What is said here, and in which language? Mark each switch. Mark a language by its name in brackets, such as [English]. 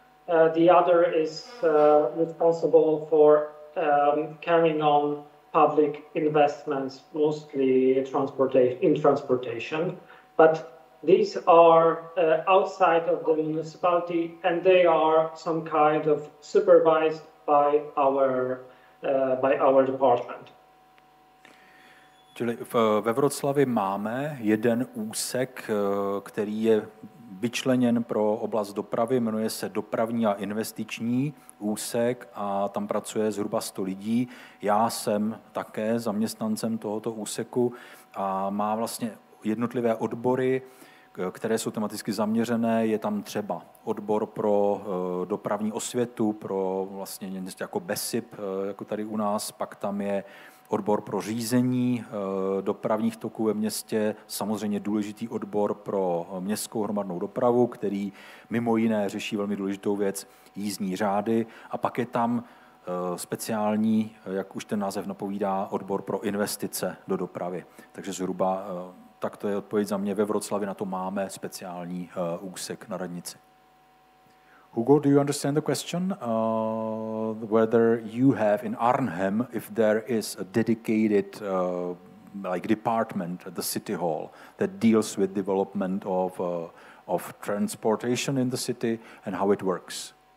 [English] The other is responsible for carrying on public investments, mostly in transportation, but these are outside of the municipality and they are some kind of supervised by our department. [Czech] Čili ve Wrocławiu máme jeden úsek, který je vyčleněn pro oblast dopravy, jmenuje se dopravní a investiční úsek a tam pracuje zhruba 100 lidí. Já jsem také zaměstnancem tohoto úseku a má vlastně jednotlivé odbory, které jsou tematicky zaměřené. Je tam třeba odbor pro dopravní osvětu, pro vlastně něco jako BESIP, jako tady u nás, pak tam je odbor pro řízení dopravních toků ve městě, samozřejmě důležitý odbor pro městskou hromadnou dopravu, který mimo jiné řeší velmi důležitou věc, jízdní řády, a pak je tam speciální, jak už ten název napovídá, odbor pro investice do dopravy. Takže zhruba tak to je odpověď za mě. Ve Vroclavi na to máme speciální úsek na radnici. [English] Hugo, do you understand the question? Whether you have in Arnhem, if there is a dedicated like department at the city hall that deals with development of transportation in the city and how it works?